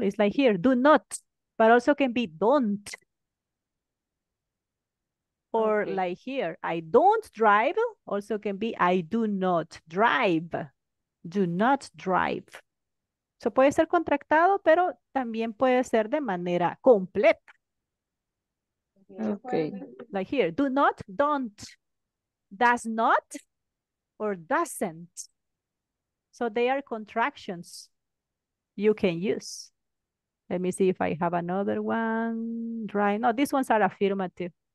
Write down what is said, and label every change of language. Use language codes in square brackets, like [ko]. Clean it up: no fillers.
[en] It's like here, do not, but also can be don't. Or okay. Like here, I don't drive, also can be I do not drive. Do not drive. [es] So puede ser contractado, pero también puede ser de manera completa. [en] Okay. Like here, do not, don't, does not, or doesn't. So they are contractions you can use. Let me see if I have another one. Right. No, these ones are affirmative.